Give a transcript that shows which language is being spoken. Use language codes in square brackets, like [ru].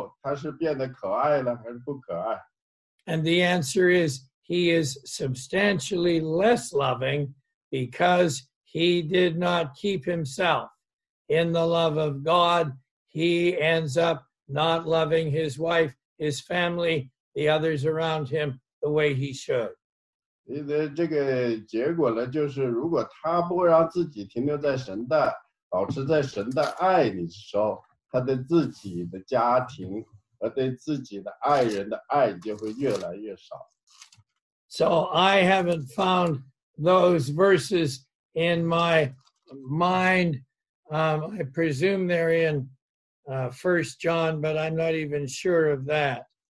[zh] 所以当一个人被酒精征服了以后，他是变得可爱了还是不可爱？ [en] And the answer is, he is substantially less loving because he did not keep himself in the love of God. He ends up not loving his wife, his family, the others around him the way he should. [zh] 所以这个结果呢，就是如果他不让自己停留在神的 保持在神的爱里的时候，他对自己的家庭和对自己的爱人的爱就会越来越少。 [en] So I haven't found those verses in my mind. I presume they're in First John, but I'm not even sure of that.